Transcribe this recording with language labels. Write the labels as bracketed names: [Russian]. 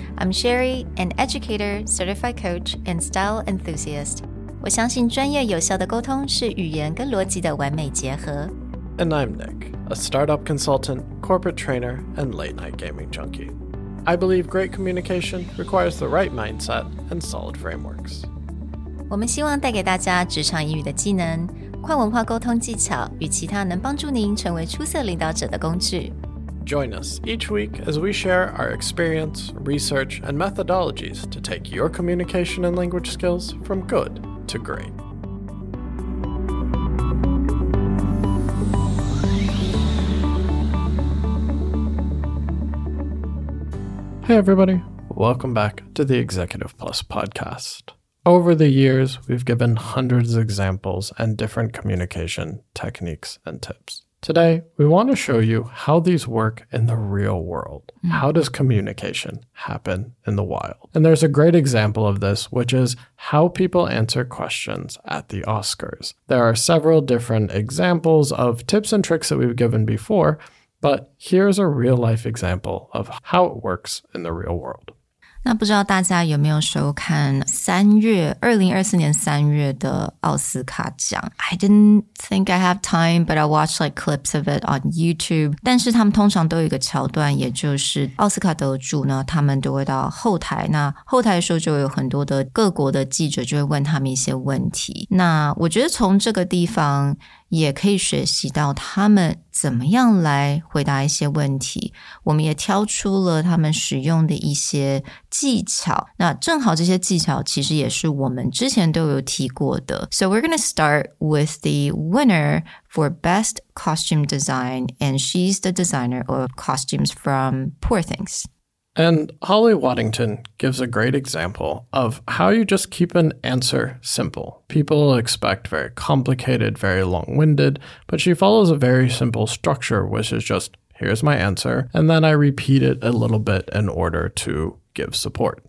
[English] I'm Sherry, an educator, certified coach, and style enthusiast. [Chinese] 我相信专业有效的沟通是语言跟逻辑的完美结合。 [English] And I'm Nick, a startup consultant, corporate trainer, and late-night gaming junkie. I believe great communication requires the right mindset and solid frameworks. [Chinese] 我们希望带给大家职场英语的技能、跨文化沟通技巧与其他能帮助您成为出色领导者的工具。 [English] Join us each week as we share our experience, research, and methodologies to take your communication and language skills from good to great. Hey, everybody. Welcome back to the Executive Plus podcast. Over the years, we've given hundreds of examples and different communication techniques and tips. Today, we want to show you how these work in the real world. How does communication happen in the wild? And there's a great example of this, which is how people answer questions at the Oscars. There are several different examples of tips and tricks that we've given before,But here's a real-life example of how it works in the real world. [Chinese] 那不知道大家有没有收看2024年3月的奥斯卡奖。 [English] I didn't think I have time, but I watched like clips of it on YouTube. [Chinese] 但是他们通常都有一个桥段，也就是奥斯卡得主呢，他们都会到后台。那后台的时候就有很多的各国的记者就会问他们一些问题。那我觉得从这个地方也可以学习到他们怎么样来回答一些问题。我们也挑出了他们使用的一些技巧。那正好这些技巧其实也是我们之前都有提过的。 [English] So we're going to start with the winner for best costume design, and she's the designer of costumes from Poor Things. And Holly Waddington gives a great example of how you just keep an answer simple. People expect very complicated, very long-winded, but she follows a very simple structure, which is just, here's my answer, and then I repeat it a little bit in order to give support.